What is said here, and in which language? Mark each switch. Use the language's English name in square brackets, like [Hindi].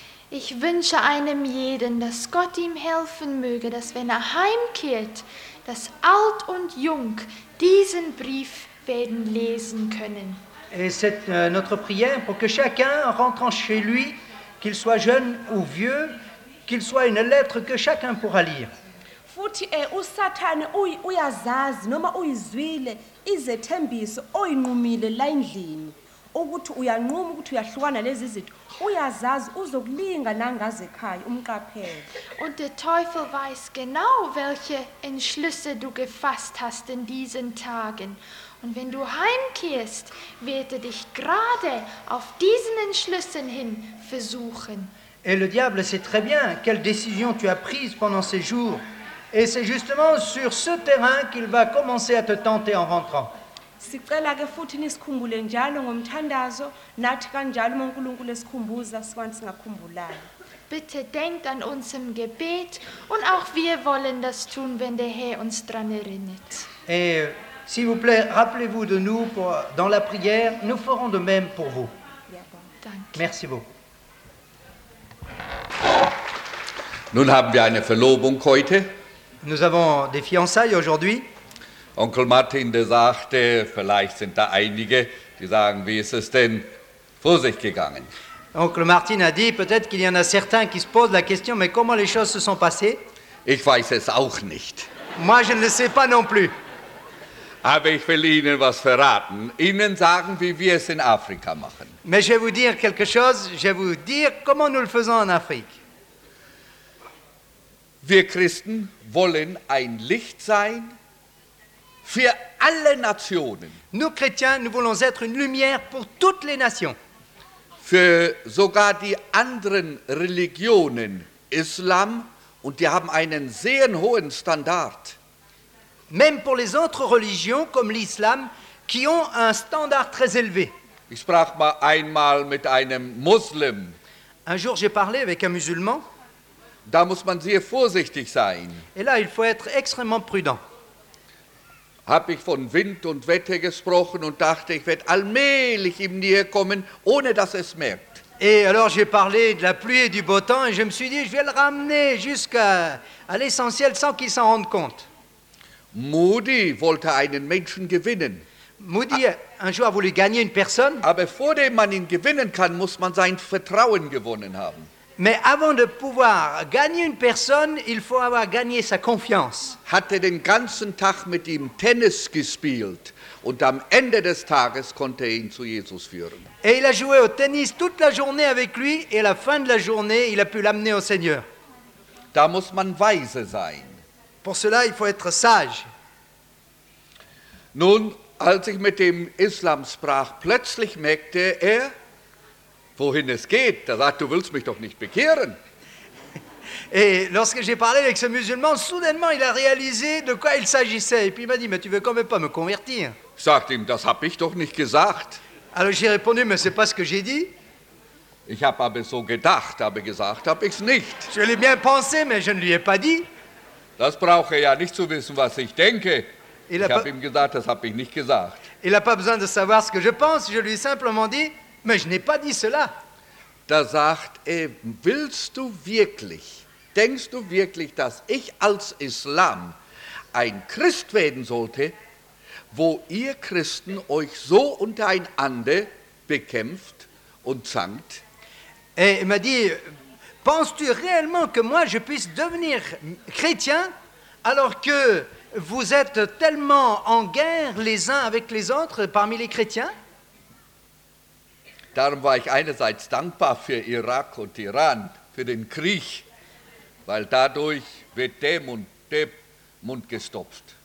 [German] Ich wünsche einem jeden, dass Gott ihm helfen möge, dass wenn er heimkehrt, dass alt und jung diesen Brief werden lesen können. [French] Et c'est notre prière pour que chacun rentrant chez lui, qu'il soit jeune ou vieux, qu'il soit une lettre que chacun pourra lire. [Zulu] Futhi uSatan uyazazi noma uyizwile izethembiso oyinqumile la endlini ukuthi uyanquma ukuthi uyahlukana lezi zinto uyazazi uzokulinga nangaze ekhaya umqaphele. [German] Und der Teufel weiß genau, welche Entschlüsse du gefasst hast in diesen Tagen. Und wenn du heimkehrst, wird dich gerade auf diesen Entschlüssen hin versuchen. [French] Et le diable sait très bien quelle décision tu as prise pendant ces jours. Et c'est justement sur ce terrain qu'il va commencer à te tenter en rentrant. [Zulu] Siqela ke futhi nisikhumbule njalo ngomthandazo, nathi kanjalo uNkulunkulu esikhumbuza sikwazi singakhumbulani. [German] Bitte denkt an uns im Gebet und auch wir wollen das tun, wenn der Herr uns dran erinnert. [French] Et S'il vous plaît, rappelez-vous de nous pour, dans la prière. Nous ferons de même pour vous. Merci beaucoup. [German] Nun haben wir eine Verlobung heute. [French] Nous avons des fiançailles aujourd'hui. [German] Onkel Martin, der sagte, vielleicht sind da einige, die sagen, wie ist es denn vor sich gegangen? [French] Onkel Martin a dit, peut-être qu'il y en a certains qui se posent la question, mais comment les choses se sont passées? [German] Ich weiß es auch nicht. [French] Moi, je ne le sais pas non plus. [German] Aber ich will Ihnen was verraten. Ihnen sagen, wie wir es in Afrika machen. [French] Mais je vais vous dire quelque chose, je vais vous dire comment nous le faisons en Afrique. [German] Wir Christen wollen ein Licht sein für alle Nationen. [French] Nous chrétiens, nous voulons être une lumière pour toutes les nations. [German] Für sogar die anderen Religionen, Islam, und die haben einen sehr hohen Standard. [French] Même pour les autres religions comme l'islam qui ont un standard très élevé. [German] Ich sprach mal einmal mit einem Muslim. [French] Un jour j'ai parlé avec un musulman. [German] Da muss man sehr vorsichtig sein. [French] Et là, il faut être extrêmement prudent. [German] Habe ich von Wind und Wetter gesprochen und dachte, ich werde allmählich ihm näher kommen, ohne dass er es merkt. [French] Et alors j'ai parlé de la pluie et du beau temps et je me suis dit, je vais le ramener jusqu'à l'essentiel sans qu'il s'en rende compte. [German] Moody wollte einen Menschen gewinnen. [French] Moody un jour a voulu gagner une personne. [German] Aber vor dem man ihn gewinnen kann, muss man sein Vertrauen gewonnen haben. [French] Mais avant de pouvoir gagner une personne, il faut avoir gagné sa confiance. [German] Hat er den ganzen Tag mit ihm Tennis gespielt und am Ende des Tages konnte er ihn zu Jesus führen. [French] Et il a joué au tennis toute la journée avec lui et à la fin de la journée, il a pu l'amener au Seigneur. [German] Da muss man weise sein. [French] Pour cela, il faut être sage. [German] Nun, als ich mit dem Islam sprach, plötzlich merkte er, wohin es geht, da sagt, du willst mich doch nicht bekehren. [French] Et lorsque j'ai parlé avec ce musulman, soudainement il a réalisé de quoi il s'agissait. Et puis il m'a dit, mais tu veux quand même pas me convertir. [German] Sagt ihm, das habe ich doch nicht gesagt. [French] Alors j'ai répondu, mais c'est pas ce que j'ai dit. [German] Ich habe aber so gedacht, aber gesagt habe ich es nicht. [French] Je l'ai bien pensé, mais je ne lui ai pas dit. [German] Das brauche ja nicht zu wissen, was ich denke. Ich habe ihm gesagt, das habe ich nicht gesagt. [French] Il a pas besoin de savoir ce que je pense, je lui ai simplement dit, mais je n'ai pas dit cela. [German] Da sagt er, willst du wirklich, denkst du wirklich, dass ich als Islam ein Christ werden sollte, wo ihr Christen euch so untereinander bekämpft und zankt? [French] Et il m'a dit, penses-tu réellement que moi je puisse devenir chrétien alors que vous êtes tellement en guerre les uns avec les autres parmi les chrétiens? [German] Darum war ich einerseits dankbar für Irak und Iran, für den Krieg, weil dadurch wird der Mund gestopft.